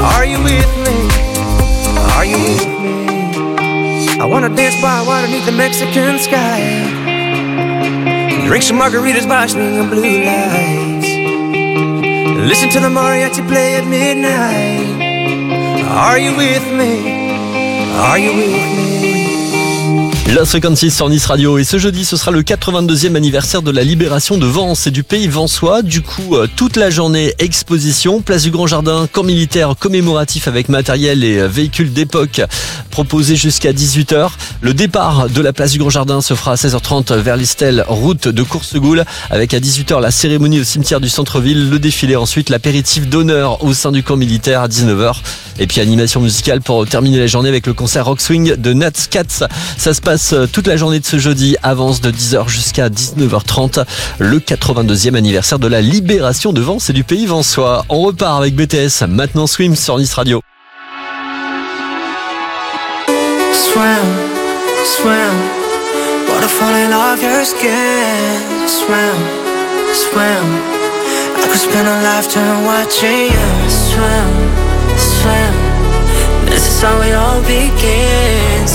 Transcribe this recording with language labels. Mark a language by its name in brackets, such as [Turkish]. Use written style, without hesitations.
[English] Are you with me? Are you with me? I wanna dance by water beneath the Mexican sky. Drink some margaritas by swinging blue lights. Listen to the mariachi play at midnight. Are you with me? Are you with me? [French] La 56 sur Nice Radio, et ce jeudi ce sera le 82e anniversaire de la libération de Vence et du pays vensois. Du coup, toute la journée, exposition, place du Grand Jardin, camp militaire commémoratif avec matériel et véhicules d'époque proposés jusqu'à 18h. Le départ de la place du Grand Jardin se fera à 16h30 vers l'Istel, route de Courcegoul, avec à 18h la cérémonie au cimetière du centre-ville, le défilé ensuite, l'apéritif d'honneur au sein du camp militaire à 19h, et puis animation musicale pour terminer la journée avec le concert Rock Swing de Nats Cats. Ça se passe toute la journée de ce jeudi, avance de 10h jusqu'à 19h30, le 82e anniversaire de la libération de Vence et du pays vensois. On repart avec BTS, maintenant Swim sur Nice Radio. [English] Swim, swim, wanna fall in love your skin. Swim, swim, I could spend a lifetime watching you. Swim, swim, this is how it all begins.